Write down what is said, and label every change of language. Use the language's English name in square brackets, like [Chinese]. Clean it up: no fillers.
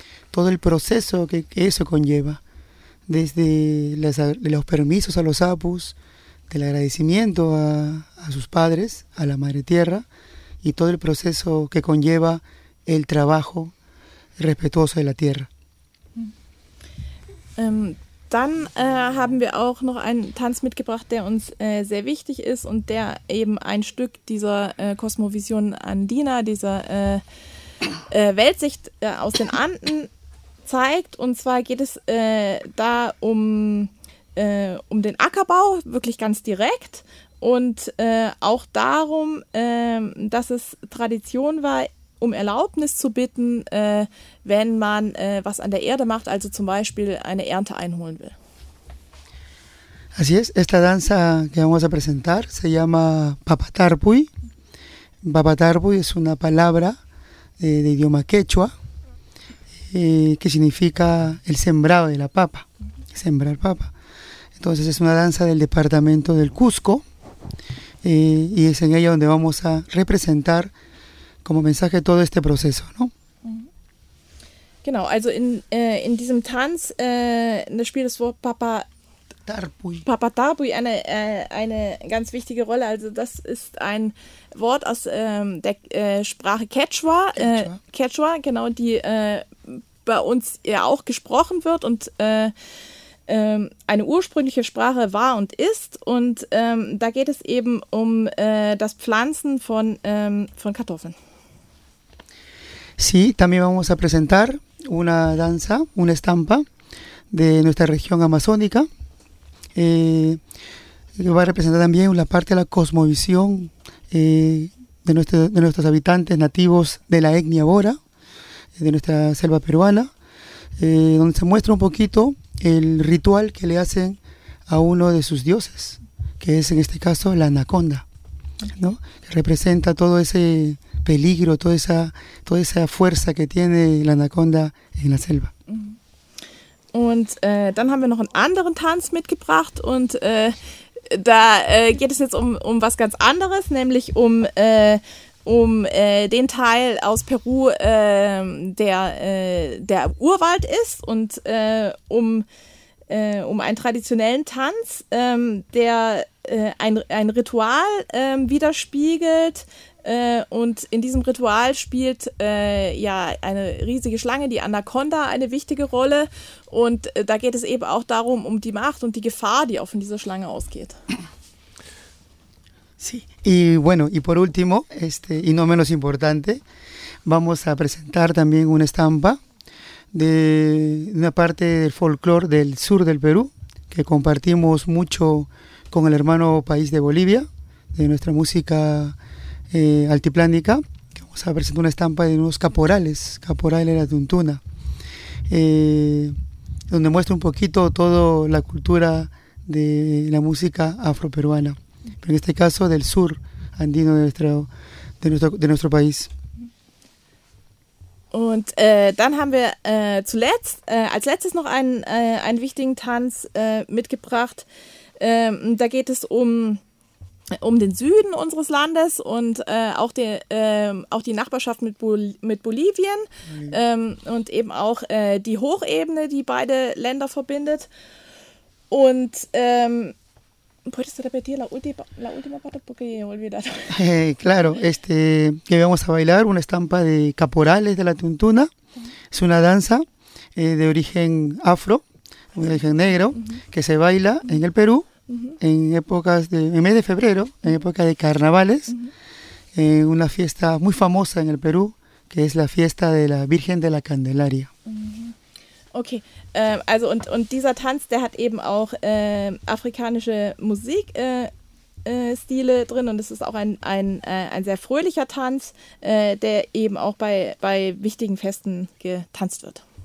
[Spanish] todo el proceso que eso conlleva, desde los permisos a los apus, del agradecimiento a sus padres, a la madre tierra, y todo el proceso que conlleva el trabajo respetuoso de la tierra. [German] Dann haben wir auch noch einen Tanz mitgebracht, der uns sehr wichtig ist und der eben ein Stück dieser Kosmovision Andina, dieser Weltsicht aus den Anden zeigt. Und zwar geht es da um den Ackerbau, wirklich ganz direkt. Und auch darum, dass es Tradition war, um Erlaubnis zu bitten, wenn man was an der Erde macht, also zum Beispiel eine Ernte einholen will. [Spanish] Así es, esta danza que vamos a presentar se llama Papatarpuy. Papatarpuy es una palabra de idioma quechua que significa el sembrado de la papa, sembrar papa. Entonces es una danza del departamento del Cusco y es en ella donde vamos a representar como mensaje todo este proceso, ¿no? [German] Genau, also in diesem Tanz spielt das Wort Papatarpuy eine ganz wichtige Rolle. Also das ist ein Wort aus der Sprache Quechua. Quechua, genau, die bei uns ja auch gesprochen wird und eine ursprüngliche Sprache war und ist. Und da geht es eben um das Pflanzen von Kartoffeln. [Spanish] Sí, también vamos a presentar una danza, una estampa de nuestra región amazónica, que va a representar también la parte de la cosmovisión de nuestros habitantes nativos de la etnia Bora, de nuestra selva peruana, donde se muestra un poquito el ritual que le hacen a uno de sus dioses, que es en este caso la anaconda, ¿no? Que representa todo ese peligro, toda esa fuerza que tiene la anaconda en la selva. [German] Und dann haben wir noch einen anderen Tanz mitgebracht und da geht es jetzt um was ganz anderes, nämlich um den Teil aus Peru, der Urwald ist und um um einen traditionellen Tanz, der ein Ritual widerspiegelt. Und in diesem Ritual spielt ja eine riesige Schlange, die Anaconda, eine wichtige Rolle. Und da geht es eben auch darum, um die Macht und die Gefahr, die auch von dieser Schlange ausgeht. [Spanish] Sí. Y bueno, y por último, este, y no menos importante, vamos a presentar también una estampa de una parte del folclore del sur del Perú, que compartimos mucho con el hermano país de Bolivia, de nuestra música altiplánica. Vamos a presentar una estampa de unos caporales, caporales de la Tuntuna, donde muestra un poquito toda la cultura de la música afroperuana. En este caso del sur andino de nuestro país. [German] Und dann haben wir zuletzt als letztes noch einen wichtigen Tanz mitgebracht. Da geht es um den Süden unseres Landes und auch die Nachbarschaft mit Bolivien und eben auch die Hochebene, die beide Länder verbindet. [Spanish] Und ¿Puedes repetir la última parte? Porque he olvidado. Claro, este, que vamos a bailar una estampa de caporales de la Tuntuna. Es una danza de origen afro, de origen negro, que se baila en el Perú en épocas de, en mes de febrero, en época de carnavales, en una fiesta muy famosa en el Perú, que es la fiesta de la Virgen de la Candelaria. [German] Okay, also und dieser Tanz, der hat eben auch afrikanische Musikstile drin und es ist auch ein sehr fröhlicher Tanz, der eben auch bei wichtigen Festen getanzt wird.